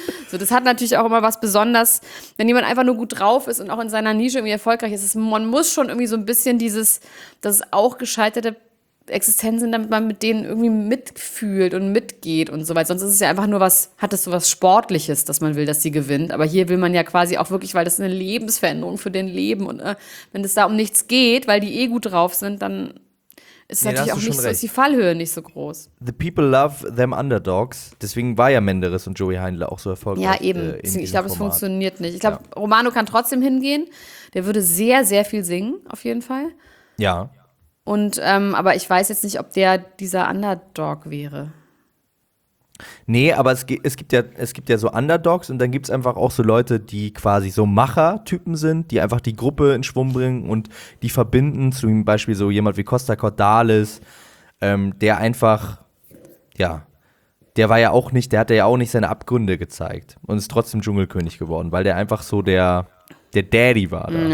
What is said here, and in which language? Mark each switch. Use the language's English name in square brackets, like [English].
[German] So, das hat natürlich auch immer was Besonderes. Wenn jemand einfach nur gut drauf ist und auch in seiner Nische irgendwie erfolgreich ist, man muss schon irgendwie so ein bisschen dieses, das ist auch gescheiterte Existenzen, damit man mit denen irgendwie mitfühlt und mitgeht und so weiter. Sonst ist es ja einfach nur was, hat es so was Sportliches, dass man will, dass sie gewinnt. Aber hier will man ja quasi auch wirklich, weil das ist eine Lebensveränderung für den Leben. Und wenn es da um nichts geht, weil die eh gut drauf sind, dann ist es natürlich auch nicht so, ist die Fallhöhe nicht so groß. [English] The people love them underdogs. [German] Deswegen war ja Menderes und Joey Heindle auch so erfolgreich. Ja, eben. Ich glaube, es funktioniert nicht. Ich glaube, ja. Romano kann trotzdem hingehen. Der würde sehr, sehr viel singen, auf jeden Fall. Ja. Und aber ich weiß jetzt nicht, ob der dieser Underdog wäre. Nee, aber es gibt ja so Underdogs und dann gibt es einfach auch so Leute, die quasi so Macher-Typen sind, die einfach die Gruppe in Schwung bringen und die verbinden, zum Beispiel so jemand wie Costa Cordalis, der einfach, ja, der war ja auch nicht, der hatte ja auch nicht seine Abgründe gezeigt und ist trotzdem Dschungelkönig geworden, weil der einfach so der Daddy war da.